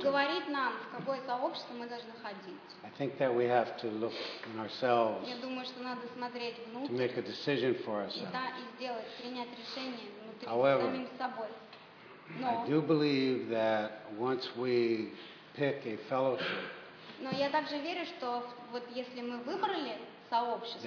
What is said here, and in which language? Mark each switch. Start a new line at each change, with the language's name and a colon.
Russian: Говорить нам, в какое сообщество мы должны ходить.
English: I think that we have to look in ourselves
Russian: я думаю, что надо смотреть внутрь,
English: to make a decision for ourselves.
Russian: И, да, и сделать, принять решение внутри,
English: However,
Russian: самим собой. Но,
English: I do believe that once we pick a fellowship,
Russian: но я также верю, что вот если мы выбрали сообщество,